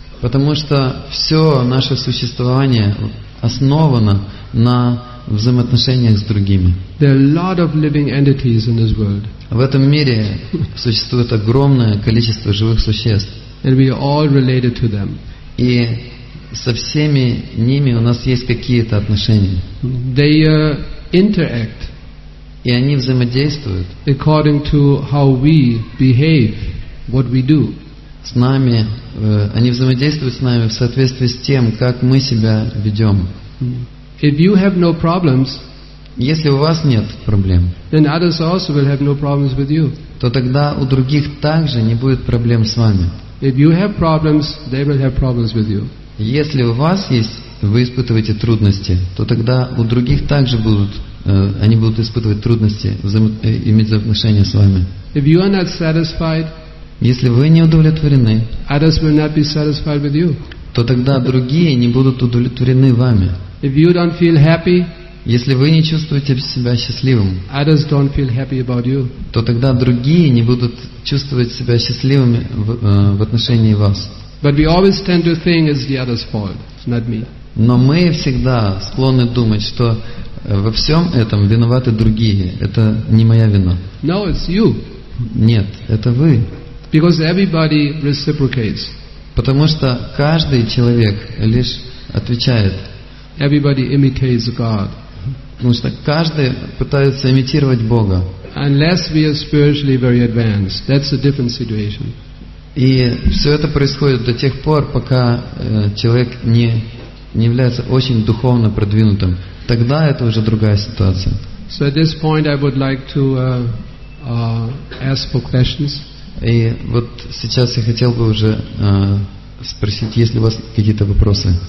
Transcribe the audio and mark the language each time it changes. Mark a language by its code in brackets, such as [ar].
[ru] Потому что все наше существование основано на взаимоотношениях с другими. [en] There are a lot of living entities in this world. [ru] В этом мире существует огромное количество живых существ. [en] And we are all related to them. [ru] И со всеми ними у нас есть какие-то отношения. [en] They interact. [ru] И они взаимодействуют. [en] According to how we behave, what we do. [ru] С нами, они взаимодействуют с нами в соответствии с тем, как мы себя ведем. [en] If you have no problems, [ru] если у вас нет проблем, [en] then others also will have no problems with you. [ru] То тогда у других также не будет проблем с вами. [en] If you have problems, they will have problems with you. [ru] Если у вас есть, вы испытываете трудности, то тогда у других также будут, они будут испытывать трудности иметь отношения с вами. [en] If you are not satisfied, [ru] если вы не удовлетворены, [en] others will not be satisfied with you. [ru] То тогда другие не будут удовлетворены вами. [en] If you don't feel happy, [ru] если вы не чувствуете себя счастливым, [en] others don't feel happy about you. [ru] То тогда другие не будут чувствовать себя счастливыми в отношении вас. [en] But we always tend to think it's the other's fault, not me. [ru] Но мы всегда склонны думать, что во всем этом виноваты другие. Это не моя вина. [en] No, it's you. [ru] Нет, это вы. [en] Because everybody reciprocates. [ru] Потому что каждый человек лишь отвечает. [en] Everybody imitates God. [ru] Потому что каждый пытается имитировать Бога. [en] Unless we are spiritually very advanced, that's a different situation. [ru] И все это происходит до тех пор, пока человек не является очень духовно продвинутым. Тогда это уже другая ситуация. [en] So at this point, I would like to ask for questions. [ru] И вот сейчас я хотел бы уже спросить, есть ли у вас какие-то вопросы,